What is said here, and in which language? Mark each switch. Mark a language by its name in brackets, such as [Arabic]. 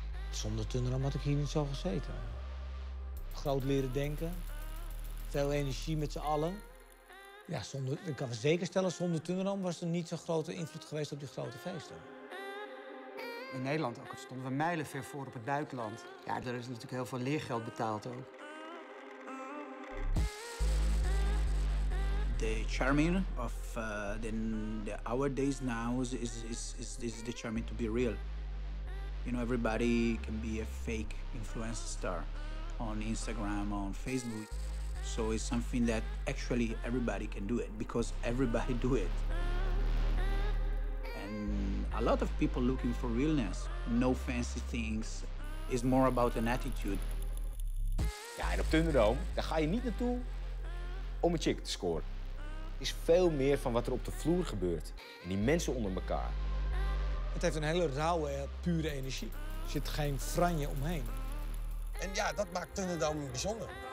[Dutch] Zonder Thunderdome had ik hier niet zo gezeten. Groot leren denken, veel energie met z'n allen. Ja, ik kan het zeker stellen, zonder Thunderdome was er niet zo'n grote invloed geweest op die grote feesten. In Nederland ook, stonden we mijlenver voor op het buitenland. Ja, daar is natuurlijk heel veel leergeld betaald ook. [English] The charming of the our days now is the charming to be real. You know, everybody can be a fake influencer star on Instagram, on Facebook. So it's something that actually everybody can do it because everybody do it. A lot of people looking for realness, no fancy things, is more about an attitude. [Dutch] Ja, en op Thunderdome, daar ga je niet naartoe om een chick te scoren. Het is veel meer van wat er op de vloer gebeurt en die mensen onder elkaar. Het heeft een hele rauwe, pure energie. Er zit geen franje omheen. En ja, dat maakt Thunderdome bijzonder.